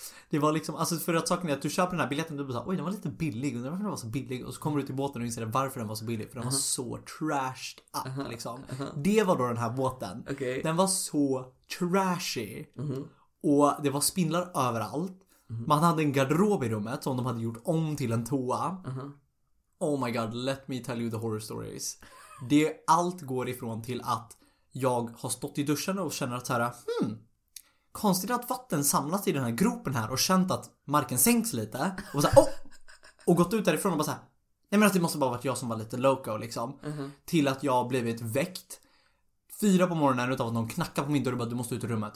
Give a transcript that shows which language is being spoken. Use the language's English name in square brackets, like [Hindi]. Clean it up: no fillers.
[Swedish] Det var liksom, alltså för att saken är att du köper den här biljetten och du bara såhär, oj den var lite billig, undrar varför den var så billig. Och så kommer du till båten och inser varför den var så billig. För den var så [English] trashed up [Swedish] liksom. Det var då den här båten. [English] Okay. [Swedish] Den var så trashy. Mm-hmm. Och det var spindlar överallt. Mm-hmm. Man hade en garderob i rummet som de hade gjort om till en toa. [English] Oh my god, let me tell you the horror stories. [Swedish] Det allt går ifrån till att jag har stått i duschen och känner att såhär, konstigt att vatten samlats i den här gropen här och känt att marken sänks lite och så här, och gått ut därifrån och bara så här, nej men att det måste bara varit jag som var lite loco liksom. Mm-hmm. Till att jag blivit väckt 4 på morgonen utav att någon knackar på min dörr och bara, du måste ut ur rummet.